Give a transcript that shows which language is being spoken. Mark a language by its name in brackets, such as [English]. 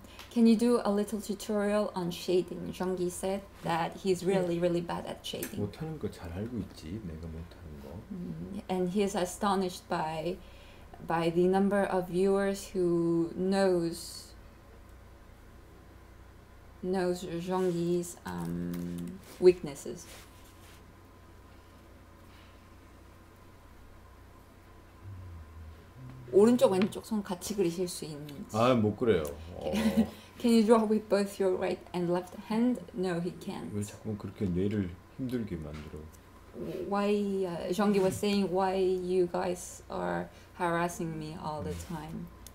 [English] Can you do a little tutorial on shading? Jung-gi said that he's really, really bad at shading. [Korean] 못하는 거 잘 알고 있지, 내가 못하는 거. [English] And he is astonished by the number of viewers who knows Jung-gi's weaknesses. [Korean] 오른쪽 왼쪽 손 같이 그리실 수 있는지. 아, 못 그려요. [English] Can you draw with both your right and left hand? No, he can't. [Korean] 왜 자꾸 그렇게 뇌를 힘들게 만들어? [English] Why Jung-gi was saying why you guys are harassing me all the time.